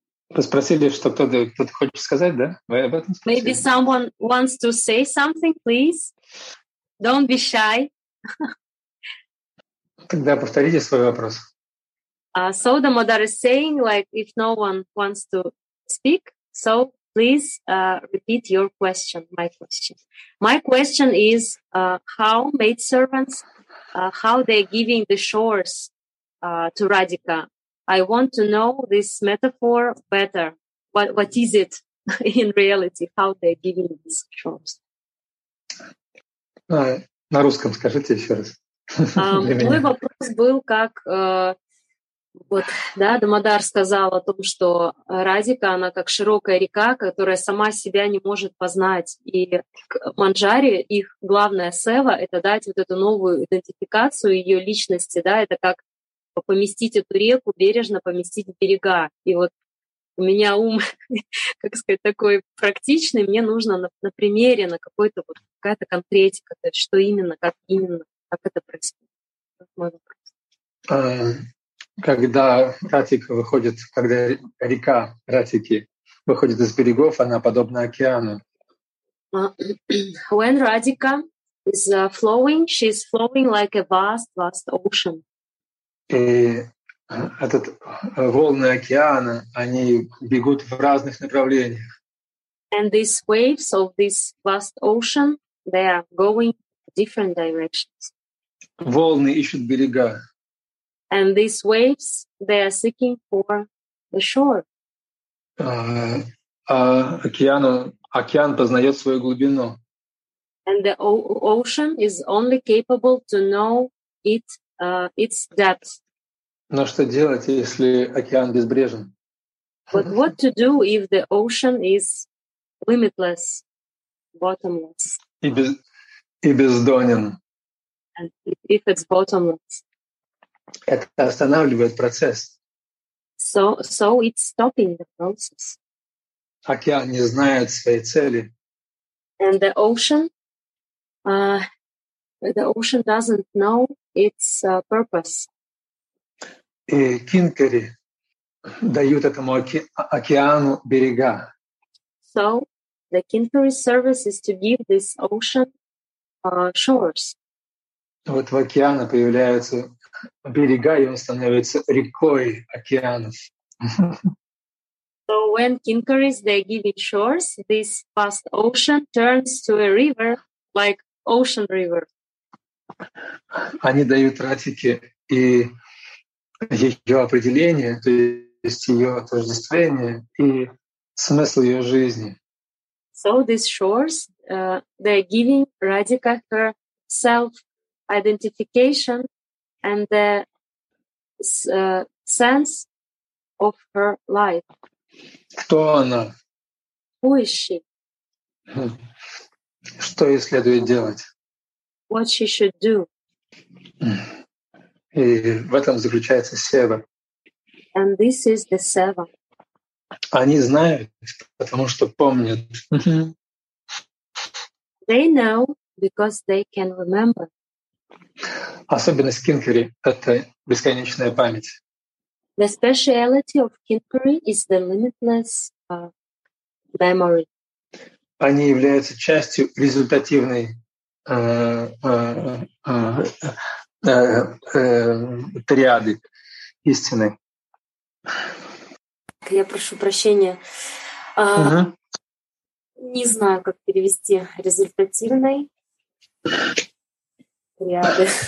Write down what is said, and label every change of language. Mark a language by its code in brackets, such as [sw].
[ru] Вы спросили, что кто-то хочет сказать, да? Вы об этом спросили? [en] Maybe someone wants to say something, please. Don't be shy. [ru] Тогда повторите свой вопрос. [en] So the mother is saying, like, if no one wants to speak, so please repeat your question, my question. My question is, how maidservants, how they're giving the chores to Radhika? I want to know this metaphor better. What is it in reality, how they're giving these chores? [ru] На русском скажите еще раз. Мой вопрос был, как вот, да, Дамодар сказал о том, что Радика, она как широкая река, которая сама себя не может познать. И к Манджари их главная сева — это дать вот эту новую идентификацию ее личности, да, это как поместить эту реку, бережно поместить в берега. И вот у меня ум, как сказать, такой практичный, мне нужно на примере, на какой-то вот какая-то конкретика, то есть что именно, как это происходит. Мой вопрос. Когда Ратика выходит, когда река Ратики выходит из берегов, она подобна океану. [en] When Radhika is flowing, she is flowing like a vast, vast ocean. [ru] И этот волны океана, они бегут в разных направлениях. [en] And these waves of this vast ocean, they are going different directions. [ru] Волны ищут берега. [en] And these waves, they are seeking for the shore. [ru] Океан познает свою глубину. [en] And the ocean is only capable to know it, its depth. [ru] Но что делать, если океан безбрежен? [en] But what to do if the ocean is limitless, bottomless? [ru] И бездонен. [en] And if it's bottomless. [ru] Это останавливает процесс. [en] So it's stopping the process. [ru] Океан не знает своей цели. [en] And the ocean doesn't know its purpose. [ru] И кинкари дают этому океану берега. [en] So the kinkari service is to give this ocean shores. [ru] Вот в океане появляются берега, и он становится рекой океанов. [en] So when kinkaris they give it shores, this vast ocean turns to a river, like ocean river. [ru] Они дают Ратике и ее определение, то есть ее отождествление и смысл ее жизни. [en] So these shores, they're giving Radhika her self-identification and the sense of her life. [ru] Кто она? [en] Who is she? [ru] Что ей следует делать? [en] What she should do. [ru] И в этом заключается сева. [en] And this is the seva. [ru] Они знают, потому что помнят. [en] They know because they can remember. [ru] Особенность кинкари — это бесконечная память. [en] The speciality of kinkari is the limitless memory. [ru] Они являются частью результативной триады истины. Я прошу прощения. Не знаю, как перевести результативной триады.